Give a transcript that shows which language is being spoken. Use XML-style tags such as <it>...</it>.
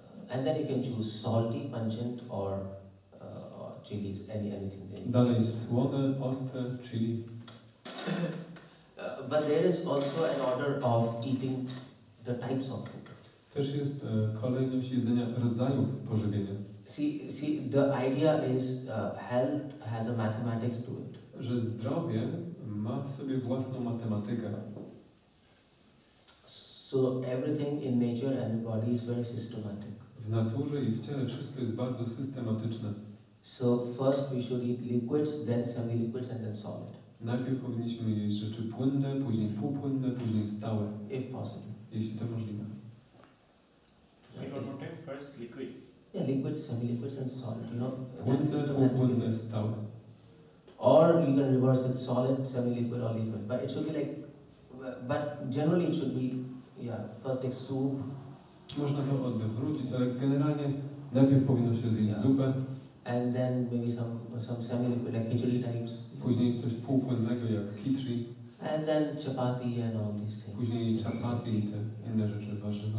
<en>And then you can choose salty, pungent or chilies, anything.</en> <pl>Dalej słone, ostre, chili.</pl> <en>But there is also an order of eating the types of food.</en> <pl>Też jest kolejność jedzenia rodzajów pożywienia.</pl> <en>See, the idea is health has a mathematics to it.</en> <pl>Że zdrowie ma w sobie własną matematykę.</pl> <en>So everything in nature and body is very systematic.</en> <pl>W naturze i w ciele wszystko jest bardzo systematyczne.</pl> <en>So first we should eat liquids, then semi-liquids, and then solid.</en> <pl>Najpierw powinniśmy jeść rzeczy płynne, później półpłynne, później stałe.</pl> <en>If possible.</en> <pl>Jeśli to możliwe.</pl> <en>We will take first liquid. Yeah, liquids, semi-liquids, and solid. You know,</en> <pl>płynne, półpłynne, stałe.</pl> <en>Or you can reverse it, solid, semi-liquid, or liquid. But it should be like, but generally it should be, first take soup.</en> <pl>Można to odwrócić, ale generalnie najpierw powinno się zjeść zupę.</pl> <en>And then maybe some semi-liquid, like khichdi types.</en> <pl>Później coś półpłynnego, jak khichdi.</pl> <en>And then chapati and all these things.</en> <pl>Później chapati i te inne rzeczy, warzywa.</pl>